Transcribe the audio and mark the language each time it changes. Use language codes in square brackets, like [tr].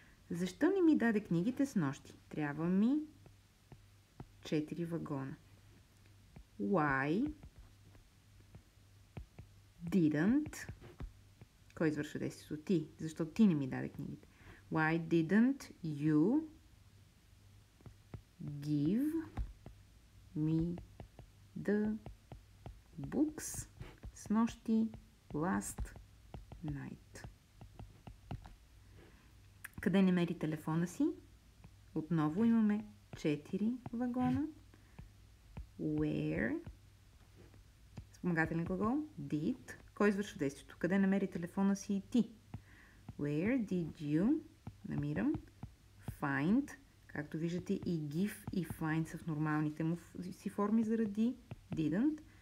[bg] Защо не ми даде книгите с нощи? Трябва ми 4 вагона. Why didn't, кой извършва действието? Ти. Защо ти не ми даде книгите? [en] Why didn't you give me the books с нощи last night? [bg] Къде не мери телефона си? Отново имаме 4 вагона. Where, спомагателен глагол, did, кой извършва действието? Къде намери телефона си ти? Where did you, намирам, find, както виждате и give и find са в нормалните му си форми заради didn't.